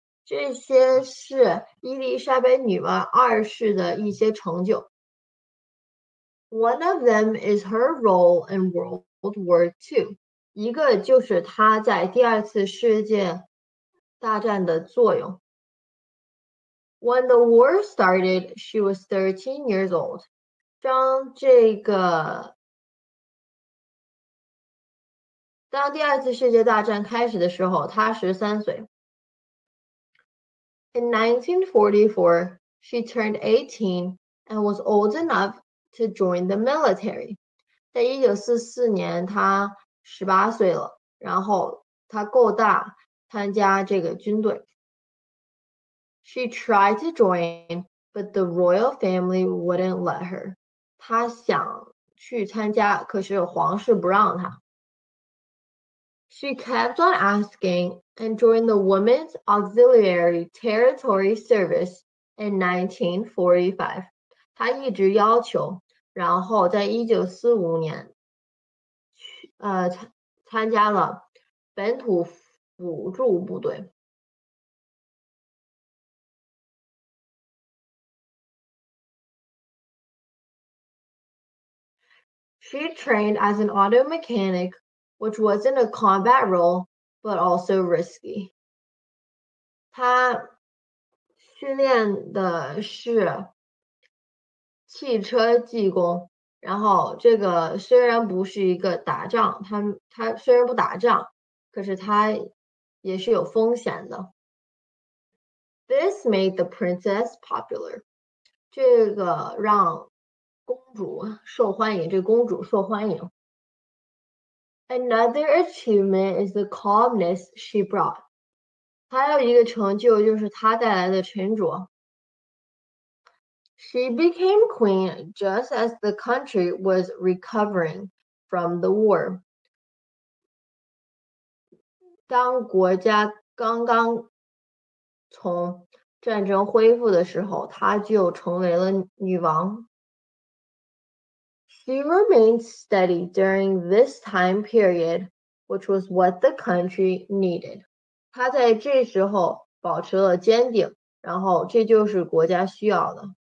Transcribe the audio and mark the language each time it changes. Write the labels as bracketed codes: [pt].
[zh] 这些是伊丽莎白女王二世的一些成就。 [en] One of them is her role in World War II. [zh] 一个就是他在第二次世界大战的作用。 [en] When the war started, she was 13 years old. [zh] 当第二次世界大战开始的时候，她十三岁。 [en] In 1944, she turned 18 and was old enough to join the military. [zh] 在1944年，她十八岁了，然后她够大参加这个军队。 [en] She tried to join, but the royal family wouldn't let her. [zh] 她想去参加，可是皇室不让她。 [en] She kept on asking and joined the Women's Auxiliary Territory Service in 1945. [zh] 她一直要求，然后在1945年参加了本土辅助部队。 [en] She trained as an auto mechanic, which wasn't a combat role, but also risky. [zh] 她训练的是汽车技工。然后这个虽然不是一个打仗，他虽然不打仗，可是他也是有风险的。 [en] This made the princess popular. [zh] 这个让公主受欢迎，这个、公主受欢迎。 [en] Another achievement is the calmness she brought. [zh] 还有一个成就就是她带来的沉着。 [en] She became queen just as the country was recovering from the war. [zh] 当国家刚刚从战争恢复的时候，她就成为了女王。 [en] She remained steady during this time period, which was what the country needed. [zh] 她在这时候保持了坚定，然后这就是国家需要的。